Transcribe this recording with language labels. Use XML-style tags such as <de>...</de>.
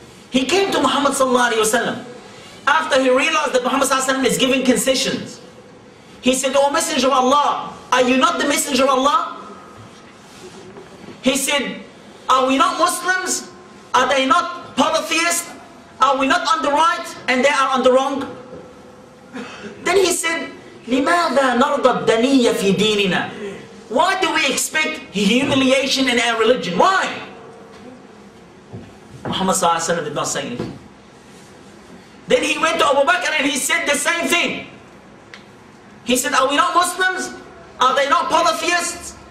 <en>He came to Muhammad sallallahu alayhi wa sallam after he realized that Muhammad sallallahu alayhi wa sallam is giving concessions. He said, O Messenger of Allah, are you not the Messenger of Allah? He said, are we not Muslims? Are they not polytheists? Are we not on the right and they are on the wrong? Then he said,</en> <ar>لِمَاذَا نَرْضَ الدَّنِيَّ فِي دِينِنَا.</ar> <en>Why do we expect humiliation in our religion? Why? Muhammad sallallahu alayhi wa sallam did not say anything. Then he went to Abu Bakr and he said the same thing. He said, are we not Muslims? Are they not polytheists?</en>